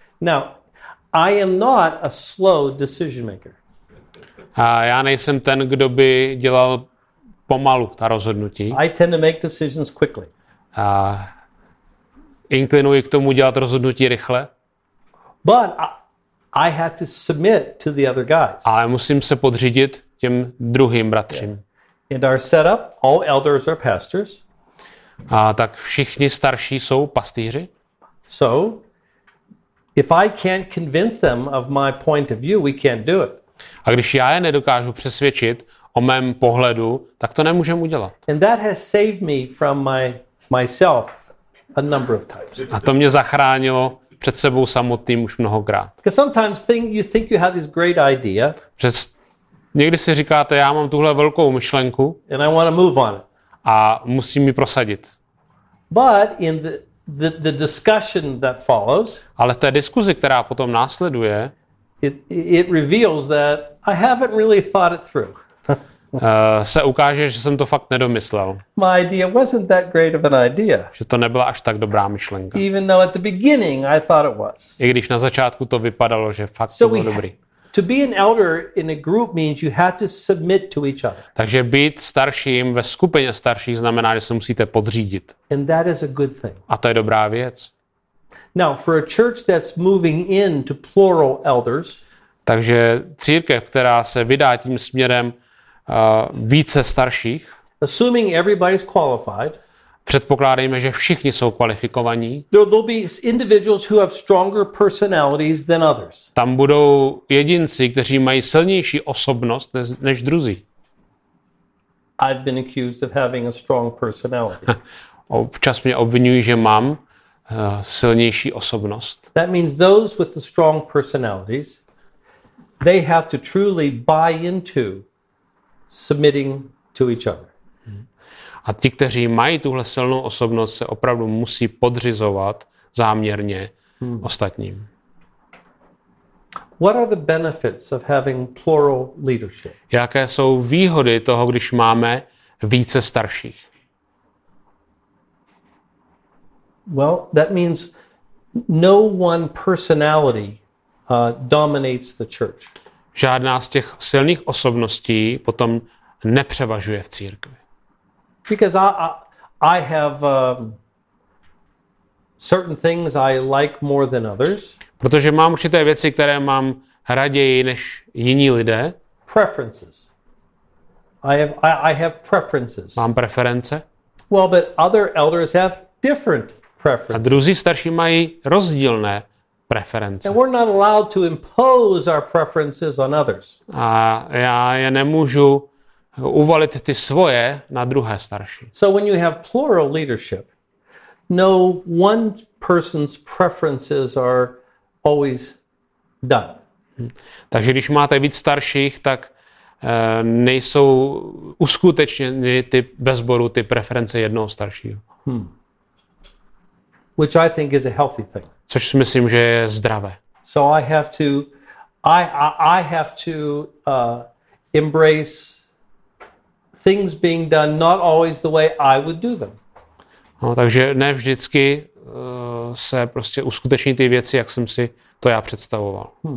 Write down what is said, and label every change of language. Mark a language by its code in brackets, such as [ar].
[en] Now, I am not a slow decision maker. [cs] A já nejsem ten, kdo by dělal pomalu ta rozhodnutí. [en] I tend to make decisions quickly. [cs] A inklinuji k tomu dělat rozhodnutí rychle. [en] But I have to submit to the other guys. [cs] Ale musím se podřídit těm druhým bratřím. [en] In our setup, all elders are pastors. [cs] A tak všichni starší jsou pastýři? [en] So, if I can't convince them of my point of view, we can't do it. [cs] A když já je nedokážu přesvědčit o mém pohledu, tak to nemůžeme udělat. [en] And that has saved me from myself a number of times. [cs] A to mě zachránilo před sebou samotným už mnohokrát. [en] Because sometimes you think you have this great idea. [cs] Někdy si říkáte, já mám tuhle velkou myšlenku. [en] And I want to move on it. [cs] A musím ji prosadit. [en] But in the discussion that follows. [cs] Ale v té diskuzi, která potom následuje, [en] it reveals that I haven't really thought it through. [cs] Se ukáže, že jsem to fakt nedomyslel. [en] My idea wasn't that great of an idea. [cs] Že to nebyla až tak dobrá myšlenka. [en] Even though at the beginning I thought it was. [cs] I když na začátku to vypadalo, že fakt to bylo dobrý. [en] To be an elder in a group means you have to submit to each other. [cs] Takže být starším ve skupině starších znamená, že se musíte podřídit. [en] And that is a good thing. [cs] A to je dobrá věc. [en] Now, for a church that's moving in to plural elders. [cs] Takže církev, která se vydá tím směrem více starších. [en] Assuming everybody's qualified. [cs] Předpokládejme, že všichni jsou kvalifikovaní. [en] There'll be individuals who have stronger personalities than others. [cs] Tam budou jedinci, kteří mají silnější osobnost než druzí. [en] I've been accused of having a strong personality. [cs] Občas mě obvinují, že mám silnější osobnost. [en] That means those with the strong personalities, they have to truly buy into submitting to each other. [cs] A ti, kteří mají tuhle silnou osobnost, se opravdu musí podřizovat záměrně ostatním. [en] What are the benefits of having plural leadership? [cs] Jaké jsou výhody toho, když máme více starších? [en] Well, that means no one personality dominates the church. [cs] Žádná z těch silných osobností potom nepřevažuje v církvi. [en] Because I have certain things I like more than others. [cs] Protože mám určité věci, které mám raději než jiní lidé. [en] Preferences. I have preferences. [cs] Mám preference. [en] Well, but other elders have different preferences. [cs] A druzí starší mají rozdílné preference. [en] And we're not allowed to impose our preferences on others. [cs] A já je nemůžu uvalit ty svoje na druhé starší. [en] So when you have plural leadership, no one person's preferences are always done. [cs] Takže když máte víc starších, tak nejsou uskutečněny ty bez sboru ty preference jednoho staršího. [en] Which I think is a healthy thing. [cs] Což si myslím, že je zdravé. [en] So I have to embrace things being done not always the way I would do them. [cs] No, takže ne vždycky se prostě uskuteční ty věci, jak jsem si to já představoval.